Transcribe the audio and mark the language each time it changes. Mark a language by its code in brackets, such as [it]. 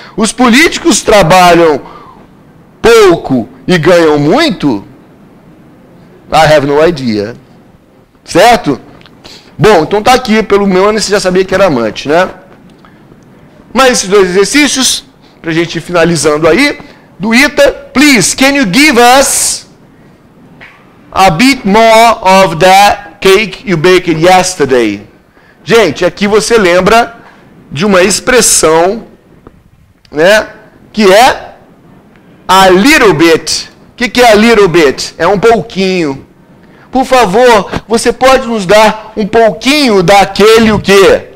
[pt] Os políticos trabalham pouco e ganham muito? [en] I have no idea. Certo? [pt] Bom, então tá aqui, pelo meu ano você já sabia que era amante, né? Mais esses dois exercícios, pra gente ir finalizando aí. [en] Do Ita, please, can you give us a bit more of that cake you baked yesterday. [pt] Gente, aqui você lembra de uma expressão, né, que é a little bit. O que é a little bit? É um pouquinho. Por favor, você pode nos dar um pouquinho daquele o quê?